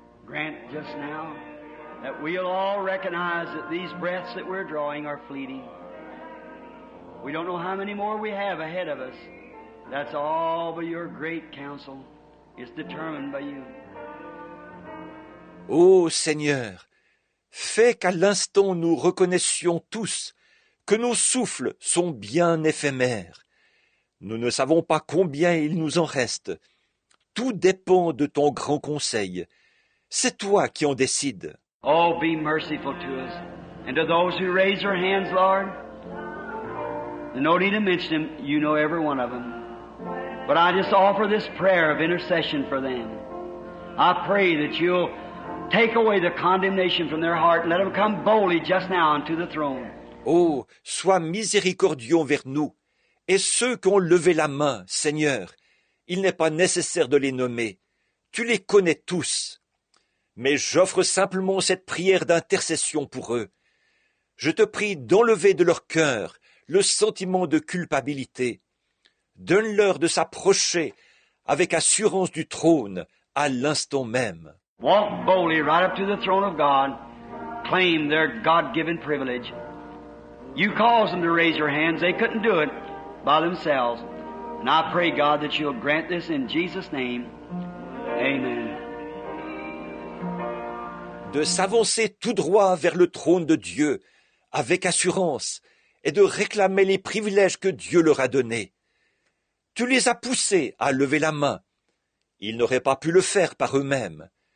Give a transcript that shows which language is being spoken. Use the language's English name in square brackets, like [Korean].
[English] grant just now that we'll all recognize that these breaths that we're drawing are fleeting. We don't know how many more we have ahead of us. That's all by your great counsel. It's determined by you. [French] Oh Seigneur, fais qu'à l'instant nous reconnaissions tous que nos souffles sont bien éphémères. Nous ne savons pas combien il nous en reste. Tout dépend de ton grand conseil. C'est toi qui en décides. [English] Oh, be merciful to us. And to those who raise their hands, Lord, no need to mention them. You know every one of them. But I just offer this prayer of intercession for them. I pray that you'll take away the condemnation from their heart and let them come boldly just now unto the throne. [French] Oh, sois miséricordieux envers nous et ceux qui ont levé la main, Seigneur. Il n'est pas nécessaire de les nommer. Tu les connais tous. Mais j'offre simplement cette prière d'intercession pour eux. Je te prie d'enlever de leur cœur le sentiment de culpabilité. Donne-leur de s'approcher avec assurance du trône à l'instant même. [English] Walk boldly right up to the throne of God. Claim their God-given privilege. You caused them to raise your hands. They couldn't do it by themselves. And I pray, God, that you'll grant this in Jesus' name. Amen. [French] De s'avancer tout droit vers le trône de Dieu avec assurance et de réclamer les privilèges que Dieu leur a donnés. Tu les as poussés à lever la main. Ils n'auraient pas pu le faire par eux-mêmes.